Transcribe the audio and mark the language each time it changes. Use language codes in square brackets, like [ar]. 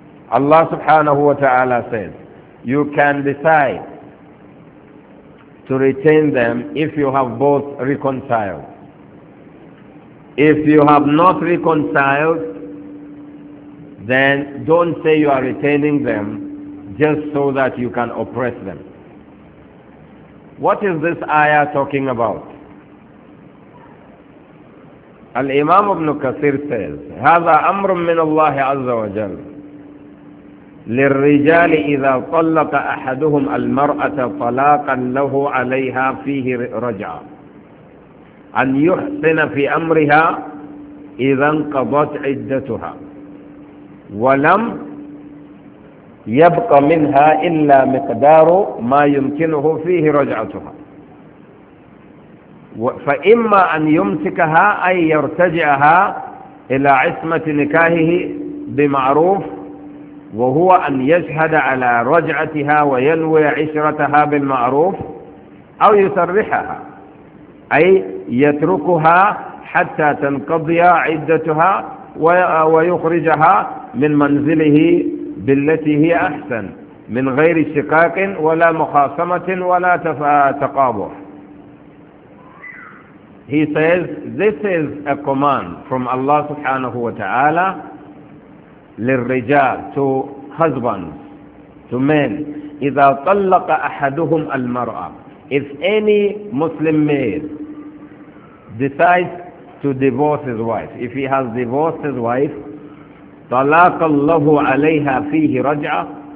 [en] Allah subhanahu wa ta'ala says, you can decide to retain them if you have both reconciled. If you have not reconciled, then don't say you are retaining them just so that you can oppress them. What is this ayah talking about? [ar] Al-Imam Ibn Kathir says, هَذَا أَمْرٌ مِّنَ اللَّهِ عَزَّ وَجَلٍ لِلرِّجَالِ إِذَا طَلَّقَ أَحَدُهُمَ الْمَرْأَةَ طَلَاقًا لَهُ عَلَيْهَا فِيهِ رَجْعًا أَنْ يُحْسِنَ فِي أَمْرِهَا إِذَا انْقَضَتْ عِدَّتُهَا وَلَمْ يَبْقَ مِنْهَا إِلَّا مِقْدَارُ مَا يُمْكِنُهُ فِيهِ رَجْعَتُهَا فَإِمَّا أَنْ يُمْسِكَهَا أَنْ يَرْتَجِعَهَا إِلَى عِصْمَةِ نِكَاهِهِ بِمَعْرُوفٍ وهو أن يشهد على رجعتها وينوي عشرتها بالمعروف أو يصرحها أي يتركها حتى تنقضي عدتها ويخرجها من منزله بالتي هي أحسن من غير شقاق ولا مخاصمة ولا تقابح. [en] He says, this is a command from Allah [ar] سبحانه وتعالى للرجال, [en] to husbands, to men. [ar] إذا طلق أحدهم المرأة, [en] if any Muslim male decides to divorce his wife, if he has divorced his wife, [ar] طلاق الله عليها فيه رجعة,